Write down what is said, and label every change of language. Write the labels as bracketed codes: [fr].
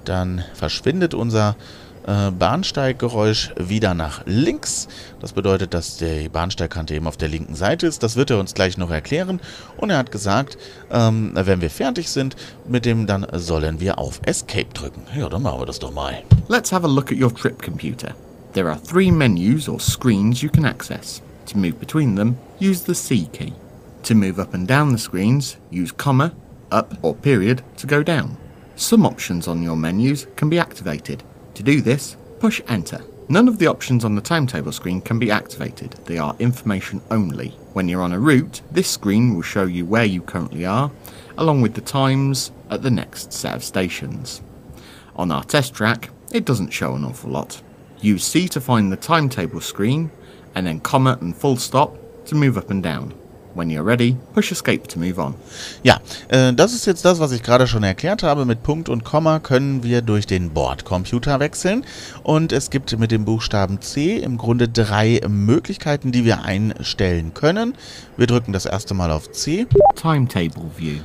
[de] Dann verschwindet unser Bahnsteiggeräusch wieder nach links. Das bedeutet, dass die Bahnsteigkante eben auf der linken Seite ist. Das wird er uns gleich noch erklären. Und er hat gesagt, wenn wir fertig sind mit dem, dann sollen wir auf Escape drücken. Ja, dann machen wir das doch mal. [en] Let's have a look at your trip computer. There are three menus or screens you can access. To move between them, use the C key. To move up and down the screens, use comma, up or period to go down. Some options on your menus can be activated. To do this, push enter. None of the options on the timetable screen can be activated. They are information only. When you're on a route, this screen will show you where you currently are, along with the times at the next set of stations. On our test track, it doesn't show an awful lot. Use C to find the timetable screen, and then comma and full stop to move up and down. When you're ready, push escape to move on. [de] Ja, das ist jetzt das, was ich gerade schon erklärt habe. Mit Punkt und Komma können wir durch den Bordcomputer wechseln. Und es gibt mit dem Buchstaben C im Grunde drei Möglichkeiten, die wir einstellen können. Wir drücken das erste Mal auf C. [en] Timetable View.